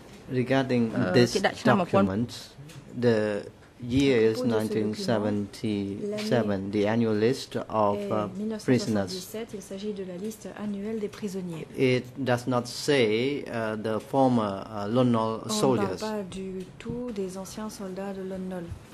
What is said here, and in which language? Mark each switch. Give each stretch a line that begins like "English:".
English: Regarding this document, the year is 1977, the annual list of prisoners.
French: Il s'agit de la liste annuelle des prisonniers.
English: It does not say the former Lon-Nol soldiers.
French: On ne parle pas du tout des anciens soldats de Lon-Nol.